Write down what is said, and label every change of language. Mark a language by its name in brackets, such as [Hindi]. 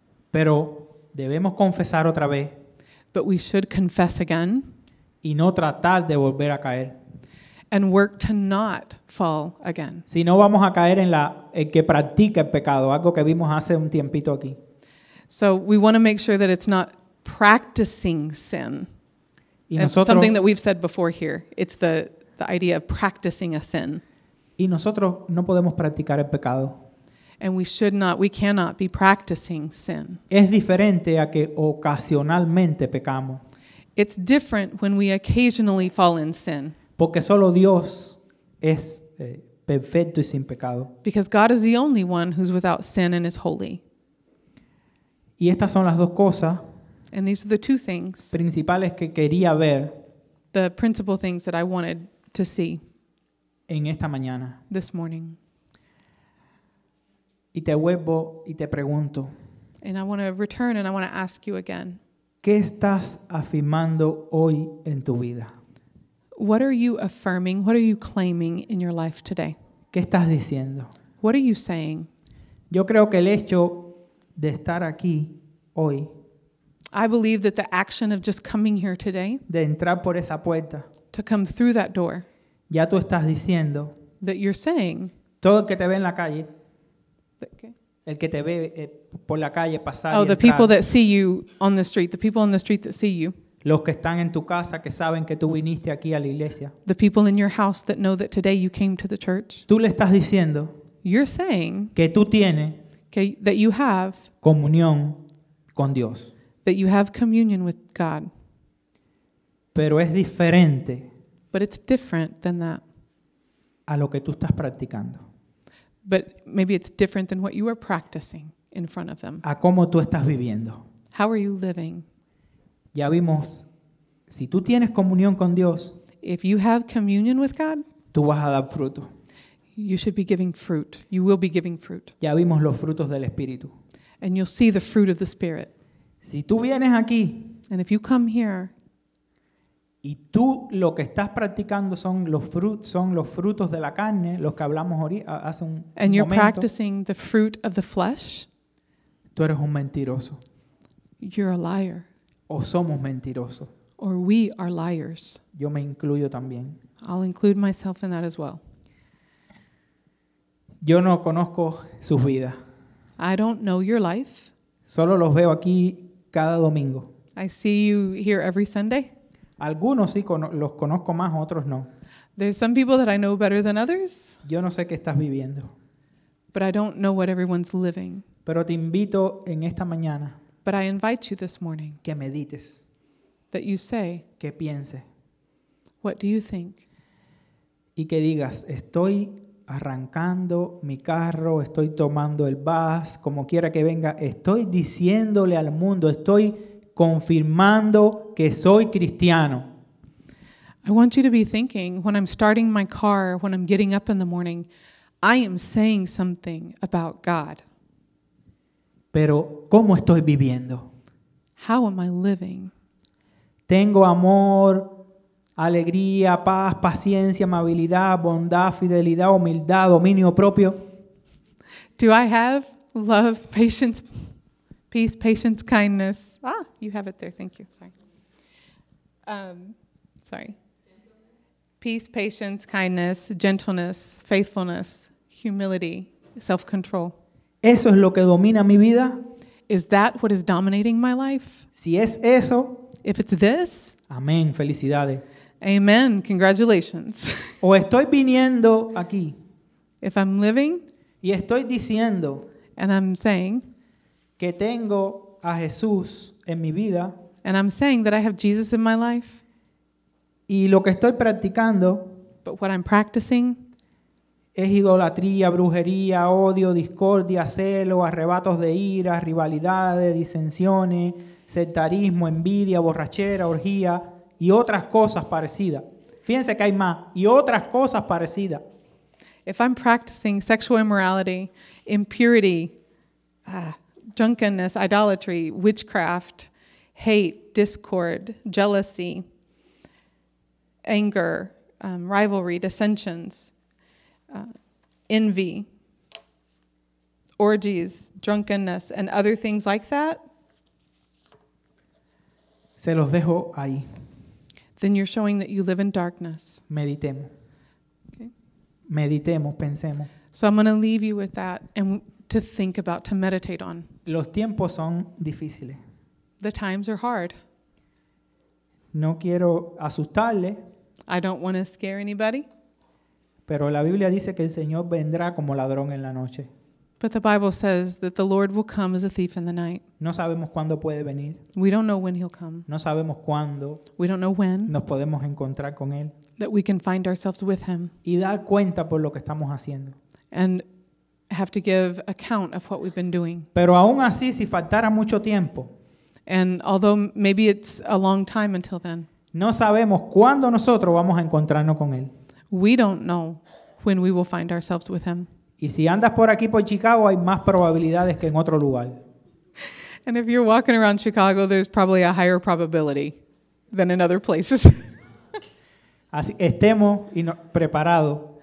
[Spanish] Pero debemos confesar otra vez. [English] But we should confess again. [Spanish] Y no tratar de volver a caer. [English] And work to not fall again. [Spanish] Si no vamos a caer en la el que practica el pecado, algo que vimos hace un tiempito aquí. [English] So we want to make sure that it's not practicing sin. [Spanish] Y nosotros, [English] it's something that we've said before here. It's the idea of practicing a sin. [Spanish] Y nosotros no podemos practicar el pecado. [English] And we should not, we cannot be practicing sin. [Spanish] Es diferente a que ocasionalmente pecamos. [English] It's different when we occasionally fall in sin. [Spanish] Porque solo Dios es perfecto y sin pecado. [English] Because God is the only one who's without sin and is holy. [Spanish] Y estas son las dos cosas. [English] And these are the two things. [Spanish] Principales que quería ver. [English] The principal things that I wanted to see. [Spanish] En esta mañana. [English] This morning. [Spanish] Y te vuelvo y te pregunto. [English] And I want to return and I want to ask you again. [Spanish] ¿Qué estás afirmando hoy en tu vida? [English] What are you affirming? What are you claiming in your life today? [Spanish] ¿Qué estás diciendo? [English] What are you saying? [Spanish] Yo creo que el hecho de estar aquí hoy. [English] I believe that the action of just coming here today. [Spanish] De entrar por esa puerta. [English] To come through that door. [Spanish] Ya tú estás diciendo. [English] That you're saying. [Spanish] Todo el que te ve en la calle. [English] That, okay. [Spanish] El que te ve por la calle pasar. [English] Oh, the people that see you on the street. The people on the street that see you. [Spanish] Los que están en tu casa que saben que tú viniste aquí a la iglesia. [English] The people in your house that know that today you came to the church. [Spanish] Tú le estás diciendo. [English] You're saying. [Spanish] Que tú tienes. [English] Que, that you have. [Spanish] Comunión con Dios. [English] That you have communion with God. [Spanish] Pero es diferente. [English] But it's different than that. [Spanish] A lo que tú estás practicando. [English] But maybe it's different than what you are practicing in front of them. [Spanish] A cómo tú estás viviendo. [English] How are you living? [Spanish] Ya vimos, si tú tienes comunión con Dios, [English] if you have communion with God, [Spanish] tú vas a dar fruto. [English] You should be giving fruit. You will be giving fruit. [Spanish] Ya vimos los frutos del Espíritu. [English] And you'll see the fruit of the Spirit. [Spanish] Si tú vienes aquí, [English] and if you come here, [Spanish] y tú lo que estás practicando son los frutos de la carne, los que hablamos hace un momento. [English] And you're practicing the fruit of the flesh. [Spanish] Tú eres un mentiroso. [English] You're a liar. [Spanish] O somos mentirosos. [English] Or we are liars. [Spanish] Yo me incluyo también. [English] I'll include myself in that as well. [Spanish] Yo no conozco sus vidas. [English] I don't know your life. [Spanish] Solo los veo aquí cada domingo. [English] I see you here every Sunday. [Spanish] Algunos sí los conozco más, otros no. [English] There's some people that I know better than others. [Spanish] Yo no sé qué estás viviendo. [English] But I don't know what everyone's living. [Spanish] Pero te invito en esta mañana. [English] But I invite you this morning. [Spanish] Que medites. [English] That you say. [Spanish] Que piense. [English] What do you think? [Spanish] Y que digas, estoy arrancando mi carro, estoy tomando el bus, como quiera que venga, estoy diciéndole al mundo, estoy confirmando que soy cristiano. [English] I want you to be thinking, when I'm starting my car, when I'm getting up in the morning, I am saying something about God. [Spanish] Pero, ¿cómo estoy viviendo? [English] How am I living? [Spanish] Tengo amor, alegría, paz, paciencia, amabilidad, bondad, fidelidad, humildad, dominio propio. [English] Do I have love, patience, peace, patience, kindness? Ah, you have it there. Thank you. Sorry. Peace, patience, kindness, gentleness, faithfulness, humility, self-control. [Spanish] ¿Eso es lo que domina mi vida? [English] Is that what is dominating my life? [Spanish] Si es eso, [English] if it's this, [Spanish] amén, felicidades. [English] Amen, congratulations. [Spanish] O estoy viniendo aquí. [English] If I'm living. [Spanish] Y estoy diciendo. [English] And I'm saying. [Spanish] Que tengo a Jesús en mi vida. [English] And I'm saying that I have Jesus in my life. [Spanish] Y lo que estoy practicando. [English] But what I'm practicing. [Spanish] Es idolatría, brujería, odio, discordia, celo, arrebatos de ira, rivalidades, disensiones, sectarismo, envidia, borrachera, orgía. Y otras cosas parecidas. Fíjense que hay más. Y otras cosas parecidas. [English] If I'm practicing sexual immorality, impurity, drunkenness, idolatry, witchcraft, hate, discord, jealousy, anger, rivalry, dissensions, envy, orgies, drunkenness, and other things like that, [Spanish] se los dejo ahí. [English] Then you're showing that you live in darkness. [Spanish] Meditemos. Okay. Meditemos, pensemos. [English] So I'm going to leave you with that and to think about, to meditate on. [Spanish] Los tiempos son difíciles. [English] The times are hard. [Spanish] No quiero asustarle. [English] I don't want to scare anybody. [Spanish] Pero la Biblia dice que el Señor vendrá como ladrón en la noche. [English] But the Bible says that the Lord will come as a thief in the night. [Spanish] No sabemos cuándo puede venir. [English] We don't know when he'll come. [Spanish] No sabemos cuándo. [English] We don't know when. [Spanish] Nos podemos encontrar con él. [English] That we can find ourselves with him. [Spanish] Y dar cuenta por lo que estamos haciendo. [English] And have to give account of what we've been doing. [Spanish] Pero aún así, si faltara mucho tiempo. [English] And although maybe it's a long time until then. [Spanish] No sabemos cuándo nosotros vamos a encontrarnos con él. [English] We don't know when we will find ourselves with him. [Spanish] Y si andas por aquí por Chicago, hay más probabilidades que en otro lugar. [English] And if you're walking around Chicago, there's probably a higher probability than in other places. [Spanish] Así, estemos preparados.